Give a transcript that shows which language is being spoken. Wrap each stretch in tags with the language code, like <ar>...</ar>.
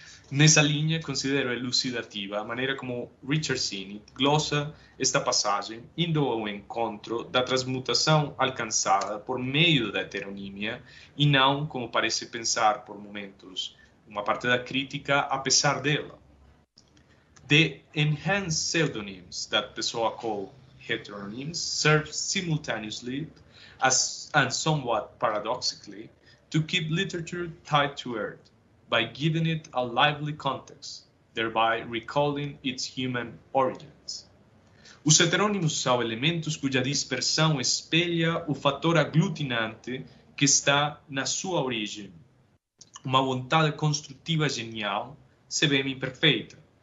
<pt>Nessa linha, considero elucidativa a maneira como Richard Sinnott glossa esta passagem, indo ao encontro da transmutação alcançada por meio da heteronímia, e não, como parece pensar por momentos, uma parte da crítica, apesar dela.</pt> <en>The enhanced pseudonyms that Pessoa call heteronyms serve simultaneously, as and somewhat paradoxically, to keep literature tied to earth, by giving it a lively context, thereby recalling its human origins.</en> <pt>Os heterônimos são elementos cuja dispersão espelha o fator aglutinante que está na sua origem, uma vontade construtiva genial, se bem imperfeita.</pt>